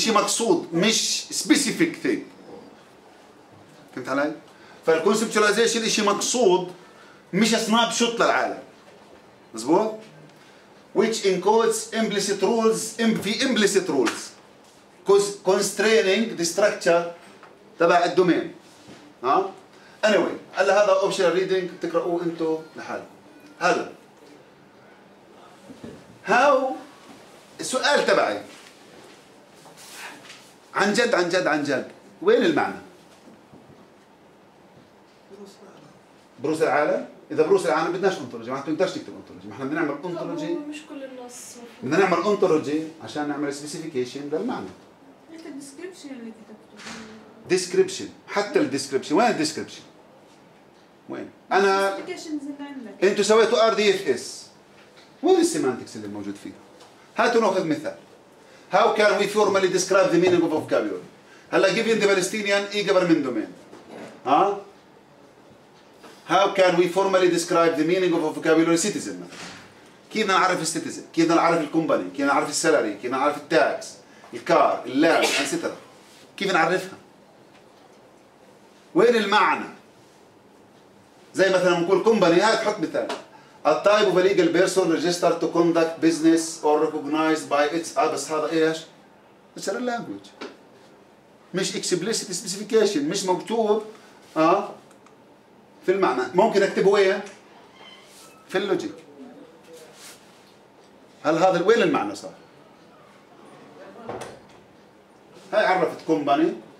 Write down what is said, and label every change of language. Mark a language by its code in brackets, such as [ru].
[ar] شيء مقصود مش سبيسيفيك ثينج. فهمت علي؟ فالكونسبتشواليزيشن شيء مقصود مش سناب شوت للعالم. [en] مظبوط؟ Which encodes implicit rules في implicit rules constraining the structure تبع الدومين. [ar] ها؟ anyway هلا هذا اوبشنال ريدنج بتقرؤوه انتم لحالكم. هلا هاو السؤال تبعي عن جد عن جد عن جد وين المعنى؟ بروس العالم. بروس العالم؟ إذا بروس العالم بدناش انطولوجي، ما بتقدرش تكتب انطولوجي، ما احنا بدنا نعمل انطولوجي. مش كل النص بدنا نعمل انطولوجي عشان نعمل سبيسيفيكيشن للمعنى. انت الديسكربشن اللي كتبته description، حتى ال description وين description؟ وين؟ أنا أنتوا سويتوا RDFS وين ال semantics اللي موجود فيها؟ هاتوا نأخذ مثال. [en] How can we formally describe the meaning of vocabulary؟ هلا given the Palestinian e-government domain. ها؟ How can we formally describe the meaning of vocabulary citizen؟ [ar] كيف نعرف [en] ال citizen؟ كيف نعرف ال company؟ كيف نعرف ال salary؟ كيف نعرف ال tax؟ ال car؟ ال land؟ etc. [ar] كيف نعرفها؟ وين المعنى؟ زي مثلا نقول كومباني، هات حط مثال. [en] A type of legal person registered to conduct business or recognized by its [ar] بس هذا ايش؟ [en] It's a language. [ar] مش explicit specification، مش مكتوب في المعنى، ممكن اكتبه وين؟ في اللوجيك. هل هذا وين المعنى صار؟ هاي عرفت كومباني.